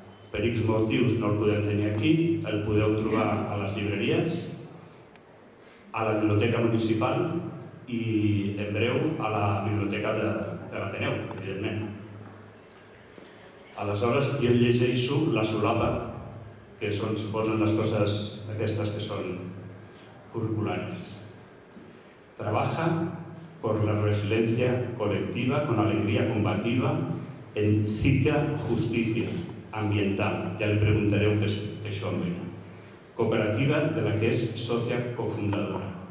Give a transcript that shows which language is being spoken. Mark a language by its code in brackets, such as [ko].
[ca] Per X motius no el podem tenir aquí, el podeu trobar a les llibreries, a la Biblioteca Municipal i, en breu, a la Biblioteca de l'Ateneu, evidentment. Aleshores, jo el llegeixo la solapa, que és on suposen les coses aquestes que són curriculares. [es] Trabaja por la resiliencia colectiva con alegría combativa en cica justicia ambiental. [ca] Ja li preguntareu què és això, Mena. Cooperativa de la que és sòcia cofundadora.